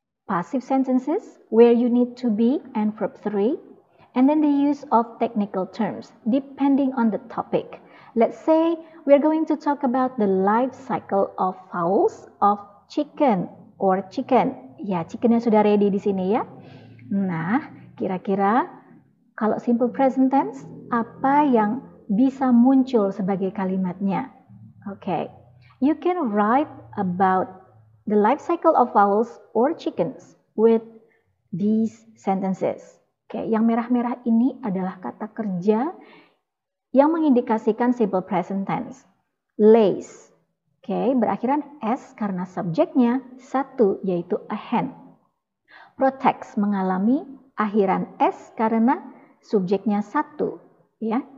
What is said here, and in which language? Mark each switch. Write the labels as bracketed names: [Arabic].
[English] Passive sentences, where you need to be, and verb 3. And then the use of technical terms, depending on the topic. Let's say we are going to talk about the life cycle of fowls of chicken or chicken. [Indonesian] Ya, chickennya sudah ready di sini ya. Nah, kira-kira kalau simple present tense, apa yang bisa muncul sebagai kalimatnya? [English] Okay, you can write about the life cycle of fowls or chickens with these sentences. [Indonesian] Okay, yang merah-merah ini adalah kata kerja yang mengindikasikan simple present tense. Lays. Okay, berakhiran S karena subjeknya satu, yaitu a hen. Protects mengalami akhiran S karena subjeknya satu. Ya.